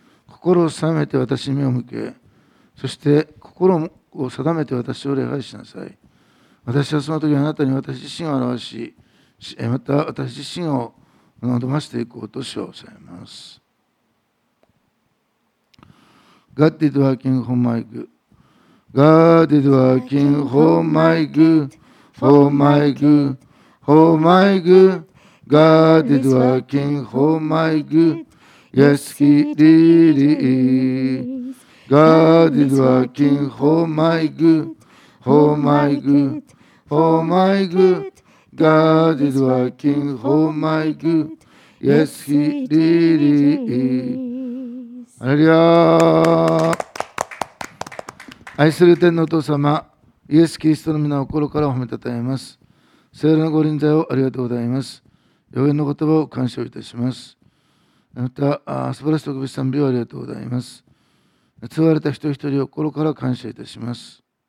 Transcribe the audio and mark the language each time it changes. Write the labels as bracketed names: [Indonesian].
[Japanese] 心を定めて私に目を向け、そして心を定めて私を礼拝しなさい。私はその時あなたに私自身を表し、また私自身を望ましていこうと主はおっしゃいます。 [English] God is working for my goodGod is working for my good, for my good, for my good. God is working for my good, yes, He really is. God is working for my good, for my good, for my good. God is working for my good, yes, He really is. [Japanese] ハレルヤー。愛する天のお父様、イエス・キリストの皆を心から褒めたたえます。聖霊のご臨在をありがとうございます。予言の言葉を感謝いたします。また素晴らしい特別賛美をありがとうございます。救われた人一人を心から感謝いたします。